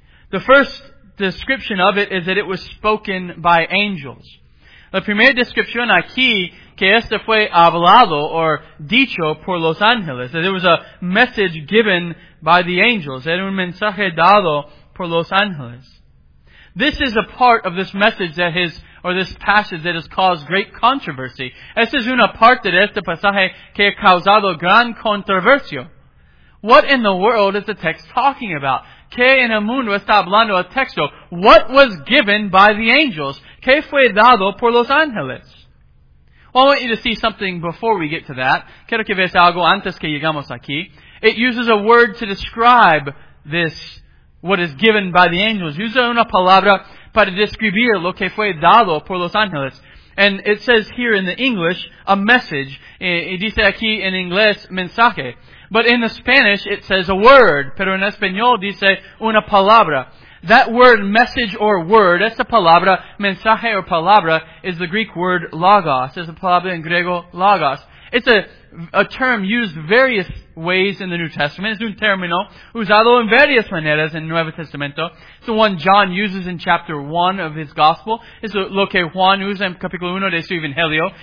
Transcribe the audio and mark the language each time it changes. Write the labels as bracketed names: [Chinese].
[English] The first description of it is that it was spoken by angels. [Spanish] La primera descripción aquí, que este fue hablado or dicho por los ángeles. [English] That it was a message given by the angels. [Spanish] Era un mensaje dado por los ángeles. [English] This is a part of this message that has, or this passage that has caused great controversy. [Spanish] Esta es una parte de este pasaje que ha causado gran controversia. [English] What in the world is the text talking about? [Spanish] ¿Qué en el mundo está hablando el texto? [English] What was given by the angels? [Spanish] ¿Qué fue dado por los ángeles? [English] Well, I want you to see something before we get to that. [Spanish] Quiero que veas algo antes que llegamos aquí. [English] It uses a word to describe this. What is given by the angels. [Spanish] Usa una palabra para describir lo que fue dado por los ángeles. [English] And it says here in the English, a message. [Spanish] Y dice aquí en inglés, mensaje. [English] But in the Spanish, it says a word. [Spanish] Pero en español dice una palabra. [English] That word, message or word, [Spanish] esta palabra, mensaje or palabra, [English] is the Greek word logos. [Spanish] Es la palabra en griego, logos. [English] It's a term used various ways in the New Testament. [Spanish] Es un término usado en varias maneras en Nuevo Testamento. [English] It's the one John uses in chapter 1 of his gospel. [Spanish] Es lo que Juan usa en capítulo 1 de su evangelio.